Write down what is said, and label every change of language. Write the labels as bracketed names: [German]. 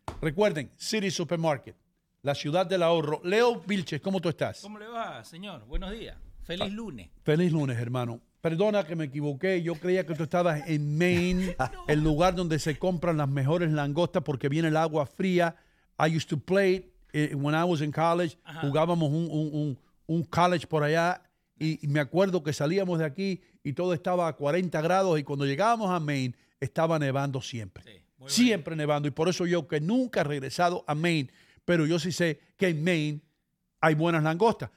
[Spanish] Recuerden, City Supermarket, la ciudad del ahorro. Leo Vilches, ¿cómo tú estás? ¿Cómo le va, señor? Buenos días. Feliz lunes. Feliz lunes, hermano. Perdona que me equivoqué. Yo creía que tú estabas en Maine, el lugar donde se compran las mejores langostas porque viene el agua fría. [English] I used to play when I was in college. [Spanish] Ajá. Jugábamos un college por allá y me acuerdo que salíamos de aquí y todo estaba a 40 grados y cuando llegábamos a Maine estaba nevando siempre. Sí, siempre bien. Nevando. Y por eso yo que nunca he regresado a Maine, pero yo sí sé que en Maine hay buenas langostas.